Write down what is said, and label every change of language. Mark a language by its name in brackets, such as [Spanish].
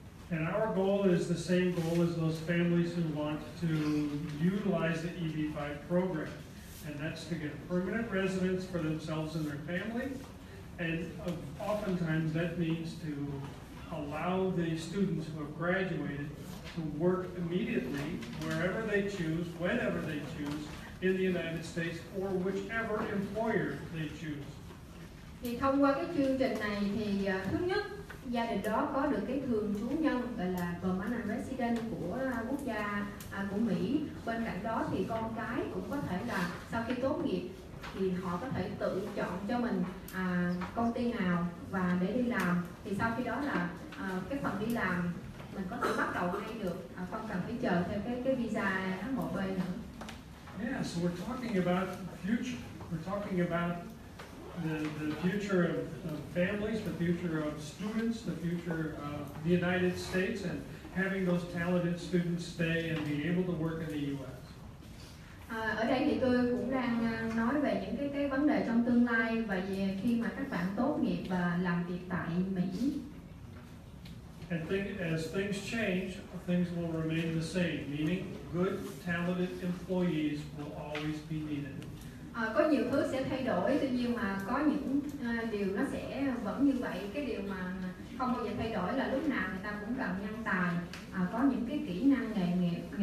[English] And our goal is the same goal as those families who want to utilize the EB-5 program, and that's to get permanent residence for themselves and their family. And oftentimes that means to allow the students who have graduated to work immediately wherever they choose, whenever they choose, in the United States or whichever employer they choose. [Vietnamese] Thì thông qua cái chương trình này thì thứ nhất gia đình đó có được cái thường trú nhân gọi là permanent resident của quốc gia của Mỹ. Bên cạnh đó thì con cái cũng có thể là sau khi tốt nghiệp thì họ có thể tự chọn cho mình công ty nào và để đi làm. Thì sau khi đó là cái phần đi làm mình có thể bắt đầu ngay được, không cần phải chờ theo cái visa H1B nữa. [English] Yeah, so we're talking about future. We're talking about the future of families, the future of students, the future of the United States, and having those talented students stay and be able to work in the U.S. [Vietnamese] Ở đây thì tôi cũng đang nói về những cái vấn đề trong tương lai và khi mà các bạn tốt nghiệp và làm việc tại Mỹ. [English] And as things change, things will remain the same, meaning good, talented employees will always be needed. [Vietnamese] Có nhiều thứ sẽ thay đổi, tuy nhiên mà có những điều nó sẽ vẫn như vậy. Cái điều mà không bao giờ thay đổi là lúc nào người ta cũng cần nhân tài, có những cái kỹ năng nghề nghiệp.